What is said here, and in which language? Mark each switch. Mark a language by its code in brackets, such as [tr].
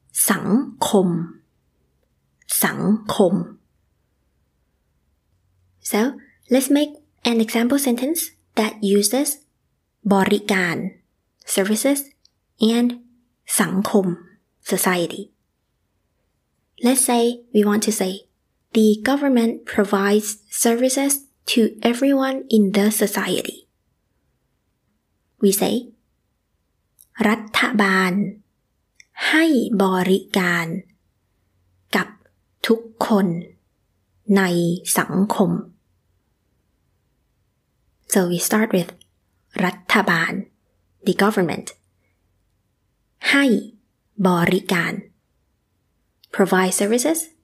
[en] สังคมสังคม So, let's make an example sentence that uses บริการ services and สังคม society. Let's say we want to say the government provides services to everyone in the society. We say [th] รัฐบาลให้บริการกับทุกคนในสังคม [en] So we start with รัฐบาล the government ให้บริการ provide services